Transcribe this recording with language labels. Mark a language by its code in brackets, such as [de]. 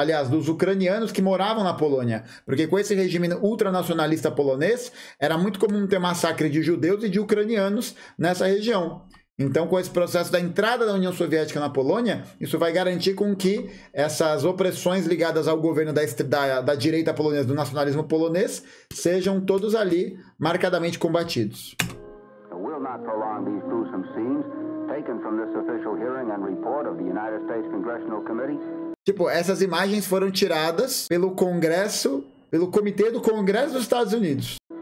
[pt] Aliás, dos ucranianos que moravam na Polônia, porque com esse regime ultranacionalista polonês, era muito comum ter massacre de judeus e de ucranianos nessa região. Então, com esse processo da entrada da União Soviética na Polônia, isso vai garantir com que essas opressões ligadas ao governo da direita polonesa, do nacionalismo polonês, sejam todos ali marcadamente combatidos. [en] We'll not prolong these gruesome scenes taken from this official hearing and report of the United States Congressional Committee. [pt] Tipo, essas imagens foram tiradas pelo Congresso, pelo Comitê do Congresso dos Estados Unidos.